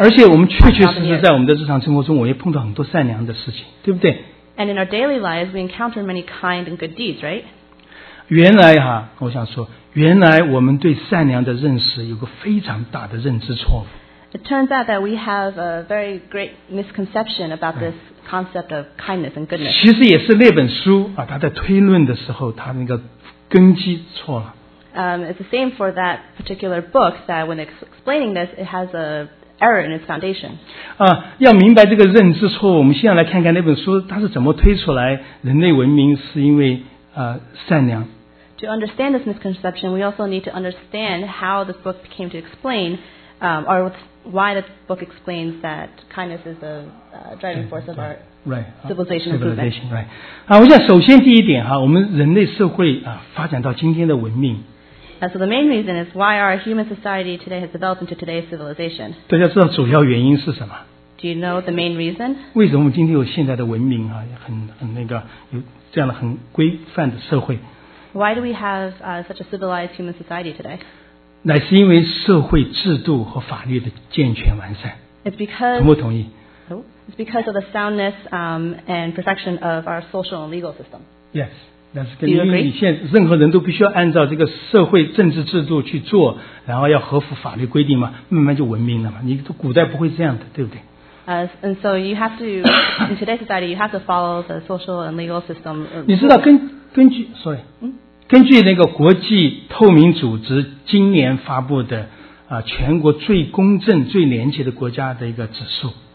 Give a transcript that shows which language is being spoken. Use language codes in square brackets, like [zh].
[zh] 而且我们确确实实在我们的日常生活中，我也碰到很多善良的事情，对不对？ [en] And in our daily lives, we encounter many kind and good deeds, right? [zh] 原来哈，我想说，原来我们对善良的认识有个非常大的认知错误。 [en] It turns out that we have a very great misconception about this concept of kindness and goodness. [zh] 其实也是那本书啊，他在推论的时候，他那个根基错了。 [en] It's the same for that particular book that when explaining this, it has a error in its foundation. [zh] 要明白这个认知错误，我们先要来看看那本书它是怎么推出来人类文明是因为善良。 [en] To understand this misconception, we also need to understand how this book came to explain, or why the book explains that kindness is the driving force of our civilization improvement. Right. [zh] 我想首先第一点哈，我们人类社会发展到今天的文明。 [en] So the main reason is why our human society today has developed into today's civilization. [zh] 大家知道主要原因是什么？ [en] Do you know the main reason? [zh] 为什么我们今天有现在的文明啊，很那个有这样的很规范的社会？ [en] Why do we have such a civilized human society today? [zh] 乃是因为社会制度和法律的健全完善。 [en] It's because [zh] 同不同意？ [en] It's because of the soundness and perfection of our social and legal system. Yes. [zh] 但是，因为你现在任何人都必须要按照这个社会政治制度去做，然后要合乎法律规定嘛，慢慢就文明了嘛。你古代不会这样的，对不对？ [en] And so you have to in today's society, you have to follow the social and legal system. [zh] 你知道根据那个国际透明组织今年发布的全国最公正、最廉洁的国家的一个指数。